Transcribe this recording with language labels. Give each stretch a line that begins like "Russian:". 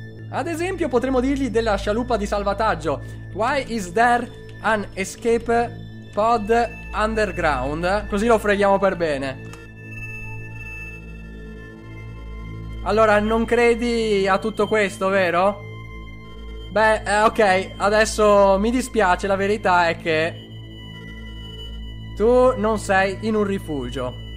Italian: Ad esempio, potremmo dirgli della scialuppa di salvataggio.
English: Why is there an escape pod underground?
Italian: Così lo freghiamo per bene. Allora, non credi a tutto questo, vero? Beh, ok, adesso mi dispiace, la verità è che tu non sei in un rifugio.